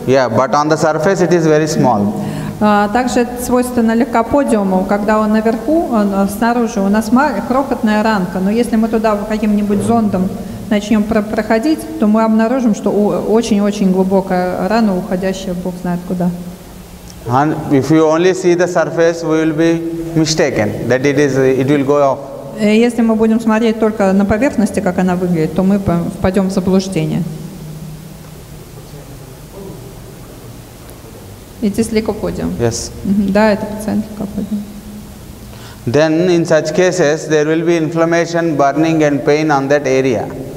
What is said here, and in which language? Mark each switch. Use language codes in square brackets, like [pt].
[en] Yeah, but on the surface it is very small. [ru] Также свойственно лейкоподиуму, когда он наверху, снаружи, у нас крохотная ранка. Но если мы туда каким-нибудь зондом начнем проходить, то мы обнаружим, что очень-очень глубокая рана, уходящая бог знает куда. [en] And if you only see the surface, we will be mistaken that it will go off. [ru] Если мы будем смотреть только на поверхности, как она выглядит, то мы впадем в заблуждение. [en] It is lycopodium. Yes. [ru] Да, это пациент лейкоподиум. [en] Then in such cases there will be inflammation, burning and pain on that area.